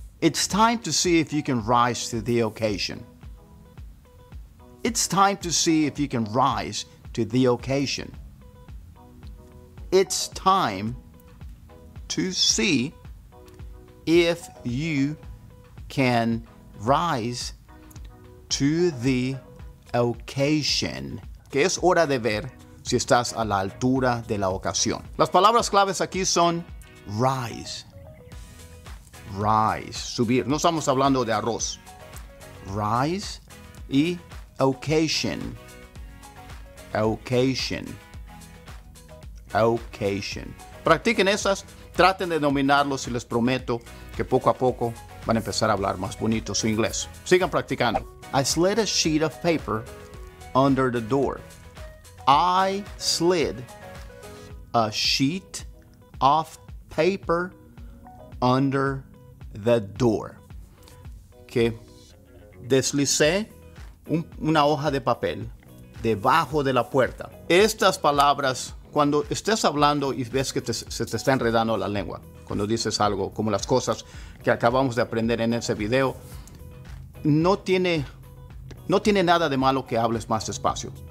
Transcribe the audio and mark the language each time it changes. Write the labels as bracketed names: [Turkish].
[English] It's time to see if you can rise to the occasion. It's time to see if you can rise to the occasion. It's time to see if you can rise to the occasion. [Spanish] Que es hora de ver si estás a la altura de la ocasión. Las palabras claves aquí son rise. Rise, subir. No estamos hablando de arroz. Rise y occasion. Occasion. Occasion. Practiquen esas. Traten de dominarlos y les prometo que poco a poco van a empezar a hablar más bonito su inglés. Sigan practicando. [English] I slid a sheet of paper under the door. I slid a sheet of paper under the door. [Spanish] Que deslicé una hoja de papel debajo de la puerta. Estas palabras, cuando estés hablando y ves que se te está enredando la lengua, cuando dices algo como las cosas que acabamos de aprender en ese video, no tiene nada de malo que hables más despacio.